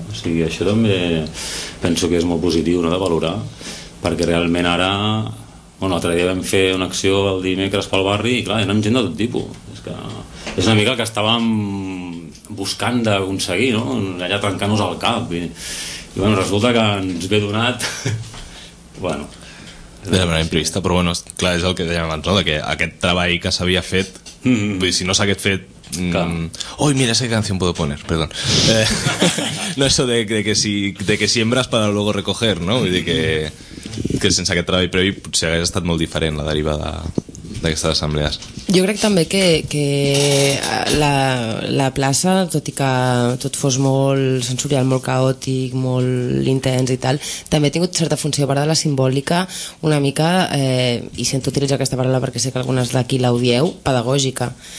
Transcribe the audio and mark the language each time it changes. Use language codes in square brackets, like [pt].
[ca] O sigui, això també penso que és molt positiu, no, de valorar, perquè realment ara, bueno, l'altre dia vam fer una acció el dimecres pel barri i clar, érem gent de tot tipus, és que és una mica el que estàvem buscant d'aconseguir, no? Allà trencant-nos el cap i bueno, resulta que ens ve donat bueno, de manera imprevista, però bueno, clar, és el que dèiem abans, no? De que aquest treball que s'havia fet, vull dir, si no s'hagués fet oi, [es] mira, esa canción puedo poner, perdón. No, eso de que siembras para luego recoger, no? [ca] Vull dir que sense aquest treball previ potser hagués estat molt diferent la deriva de d'aquestes assemblees. Jo crec també que la plaça, tot i que tot fos molt sensorial, molt caòtic, molt intens i tal, també ha tingut certa funció, a part de la simbòlica, una mica, i sento utilitzar aquesta paraula perquè sé que algunes d'aquí l'odieu, pedagògica.